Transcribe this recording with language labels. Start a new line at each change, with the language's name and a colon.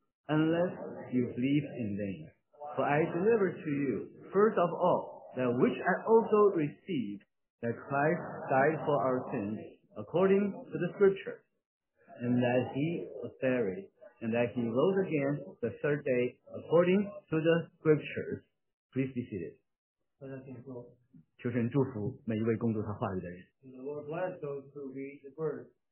English: unless you believe in me. For I delivered to you, first of all, that which I also received, that Christ died for our sins, according to the Scripture, and that he was buried, and that he rose again the third day, according to the Scriptures. Please be seated.
Chinese: 求神祝福每一位工作他话语的人。
English: The Lord bless those who read the word.